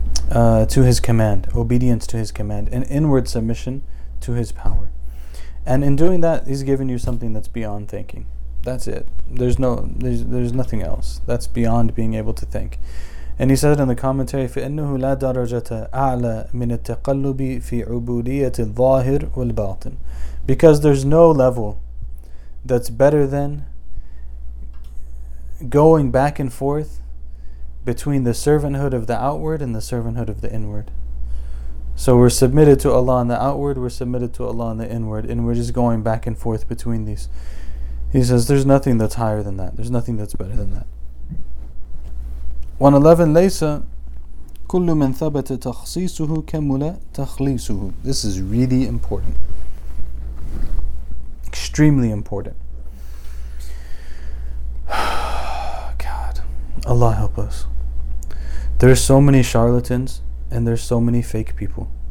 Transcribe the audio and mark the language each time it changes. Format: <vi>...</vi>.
<en>To His command, obedience to His command, and inward submission to His power. And in doing that, He's given you something that's beyond thinking. That's it. There's nothing else. That's beyond being able to think. And he said in the commentary,</en> <ar>فَإِنَّهُ لَا دَرَجَةَ أَعْلَى مِنَ التَّقَلُّبِ فِي عُبُودِيَةِ الظَّاهِرِ وَالْبَاطِنِ.</ar> <en>Because there's no level that's better than going back and forth between the servanthood of the outward and the servanthood of the inward. So we're submitted to Allah in the outward, we're submitted to Allah in the inward, and we're just going back and forth between these. He says, there's nothing that's higher than that. There's nothing that's better than that. 111</en> <ar>كُلُّ مَنْ ثَبَتَ تَخْصِيصُهُ كَمُلَ تَخْلِيصُهُ.</ar> <en>This is really important. Extremely important. God, Allah help us. There are so many charlatans and there's so many fake people.</en>